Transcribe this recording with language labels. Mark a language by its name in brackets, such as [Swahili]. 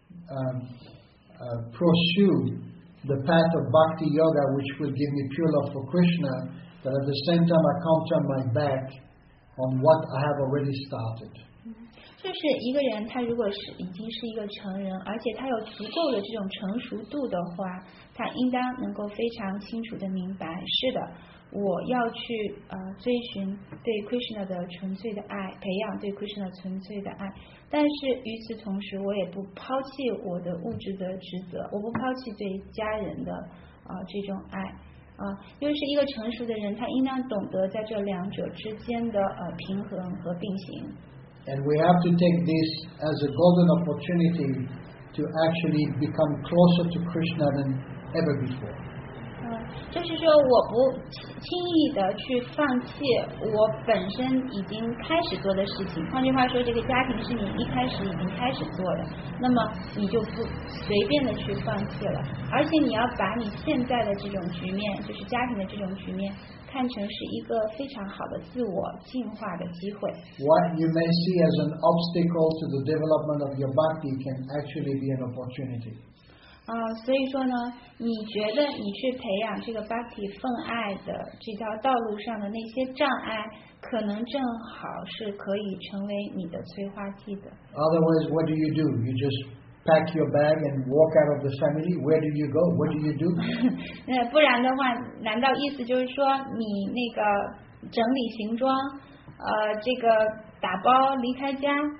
[English] I want to pursue the path of bhakti yoga, which will give me pure love for Krishna. But at the same time, I can't turn my back on what I have already started. [Chinese] 就是一个人，他如果是已经是一个成人，而且他有足够的这种成熟度的话。他应当能够非常清楚地明白，是的，我要去追寻对 Krishna 的纯粹的爱，培养对 Krishna 纯粹的爱。但是与此同时，我也不抛弃我的物质的职责，我不抛弃对家人的这种爱。因为是一个成熟的人，他应当懂得在这两者之间的平衡和并行。 [English] And we have to take this as a golden opportunity to actually become closer to Krishna than ever before. [Chinese] 就是说我不轻易的去放弃我本身已经开始做的事情，换句话说，这个家庭是你一开始已经开始做的，那么你就不随便的去放弃了，而且你要把你现在的这种局面，就是家庭的这种局面，看成是一个非常好的自我进化的机会。 [English] What you may see as an obstacle to the development of your bhakti can actually be an opportunity. [Chinese] 所以说呢，你觉得你去培养这个 bhakti 奉爱的这条道路上的那些障碍，可能正好是可以成为你的催化剂的。 [English] Otherwise, what do you do? You just pack your bag and walk out of the family. Where do you go? What do you do? [Chinese] 不然的话，难道意思就是说你那个整理行装，这个打包离开家，